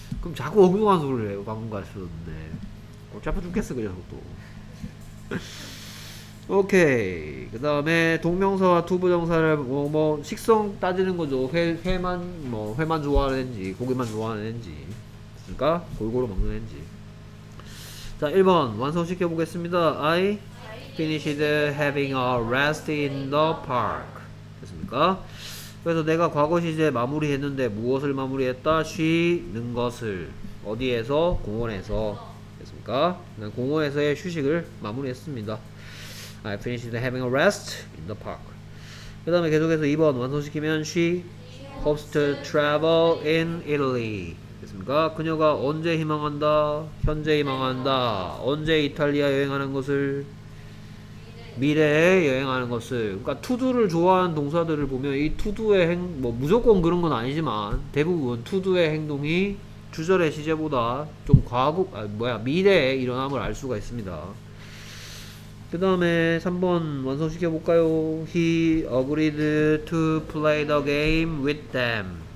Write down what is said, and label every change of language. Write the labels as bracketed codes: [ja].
[ko] 그럼 자꾸 엉뚱한 소리를 해요. 방금 가르쳐줬는데 어차피 아파 죽겠어 그냥 또. 오케이. 그 다음에 동명사와 투부정사를 뭐 식성 따지는 거죠. 회만 뭐 회만 좋아하는지 고기만 좋아하는지 그러니까 골고루 먹는지. 자 1번 완성시켜 보겠습니다. [en] I finished having a rest in the park. [ko] 됐습니까? 그래서 내가 과거 시제 마무리했는데 무엇을 마무리했다? 쉬는 것을. 어디에서? 공원에서. 됐습니까? 공원에서의 휴식을 마무리했습니다. [en] I finished having a rest in the park. [ko] 그 다음에 계속해서 2번 완성시키면 [en] She hopes to travel in Italy. [ko] 됐습니까? 그녀가 언제 희망한다? 현재 희망한다. 언제 이탈리아 여행하는 것을? 미래에 여행하는 것을. 그러니까 투두를 좋아하는 동사들을 보면 이 투두의 행 뭐 무조건 그런 건 아니지만 대부분 투두의 행동이 주절의 시제보다 좀 과거 아 뭐야 미래에 일어남을 알 수가 있습니다. 그 다음에 3번 완성시켜 볼까요? [en] He agreed to play the game with them.